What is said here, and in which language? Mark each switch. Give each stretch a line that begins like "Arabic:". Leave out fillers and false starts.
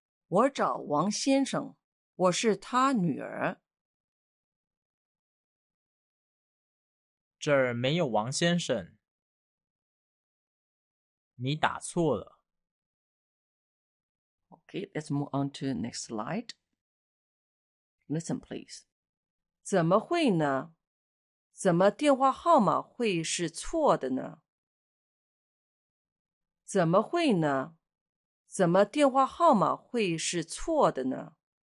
Chinese: 我找王先生，我是他女儿。这儿没有王先生，你打错了。
English: Okay, let's move on to the next slide. Listen, please.
Chinese: 怎么会呢？怎么电话号码会是错的呢？怎么会呢？怎么电话号码会是错的呢？